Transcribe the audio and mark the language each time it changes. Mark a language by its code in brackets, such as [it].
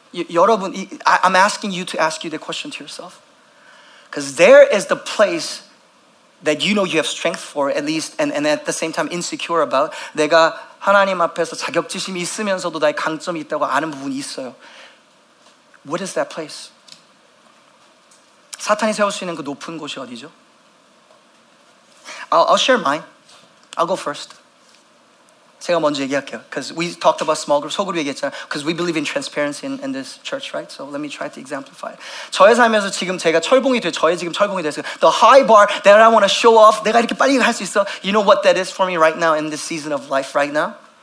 [ko] 여러분, [en] I'm asking you to ask you the question to yourself. Because there is the place that you know you have strength for, at least, and at the same time insecure about. [ko] 내가 하나님 앞에서 자격지심이 있으면서도 나의 강점이 있다고 아는 부분이 있어요. [en] What is that place? [ko] 사탄이 세울 수 있는 그 높은 곳이 어디죠? [en] I'll share mine. I'll go first. [ko] 제가 먼저 얘기할게요. [en] Because we talked about small groups, [ko] 소그룹 얘기했잖아요. [en] Because we believe in transparency in this church, right? So let me try to exemplify. [ko] 저의 삶에서 지금 제가 철봉이 돼, 저의 지금 철봉이 됐어요. [en] The high bar that I want to show off, [ko] 내가 이렇게 빨리 할 수 있어. [en] You know what that is for me right now in this season of life right now?